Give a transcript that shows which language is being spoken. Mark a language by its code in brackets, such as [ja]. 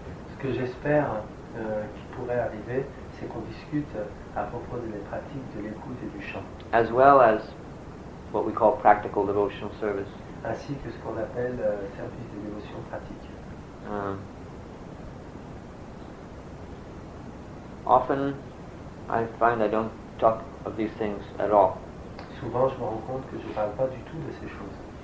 [fr] Ce que j'espère qui pourrait arriver, c'est qu'on discute à propos des pratiques de l'écoute et du chant. [en] As well as what we call practical devotional service. [fr] Ainsi que ce qu'on appelle service de dévotion pratique. [en] Often, I find I don't talk of these things at all. [fr] Souvent, je me rends compte que je ne parle pas du tout de ces choses.